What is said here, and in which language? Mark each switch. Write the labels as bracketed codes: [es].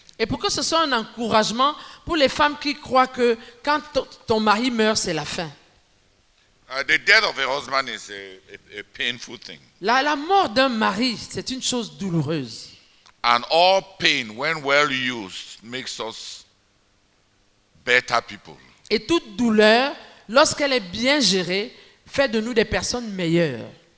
[fr] Et pour que ce soit un encouragement pour les femmes qui croient que quand ton mari meurt, c'est la fin. [en] The death of a husband is a painful thing. [fr] La mort d'un mari, c'est une chose douloureuse. [en] And all pain, when well used, makes us better people. [fr] Et toute douleur, lorsqu'elle est bien gérée, fait de nous des personnes meilleures.